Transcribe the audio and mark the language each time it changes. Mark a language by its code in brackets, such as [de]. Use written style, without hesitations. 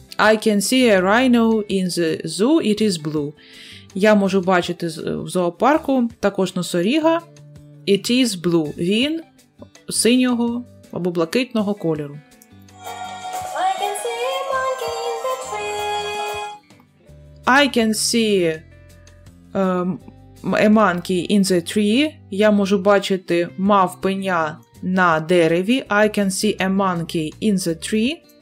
[en] I can see a rhino in the zoo. It is blue. [uk] Я можу бачити в зоопарку також носоріга. [en] It is blue. [uk] Він синього або блакитного кольору. [en] I can see a monkey in the tree. I can see a monkey in the tree. [uk] Я можу бачити мавпиня на дереві. [en] I can see a monkey in the tree.